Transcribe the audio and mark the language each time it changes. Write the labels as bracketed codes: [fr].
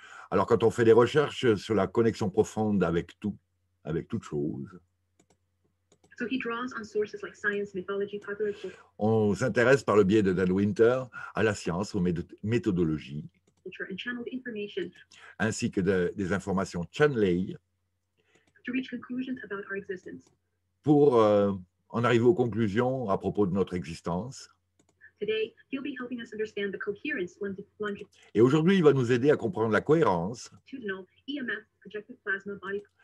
[fr] Alors, quand on fait des recherches sur la connexion profonde avec tout, avec toute chose, [en] so he draws on sources like science, mythology, popular culture, [fr] on s'intéresse par le biais de Dan Winter à la science, aux méthodologies, [en] and channeled information, [fr] ainsi que des informations channelées [en] to reach conclusions about our existence, [fr] pour en arriver aux conclusions à propos de notre existence. [en] Today, he'll be helping us understand the coherence, [fr] et aujourd'hui, il va nous aider à comprendre la cohérence. [en] EMF, projected plasma body...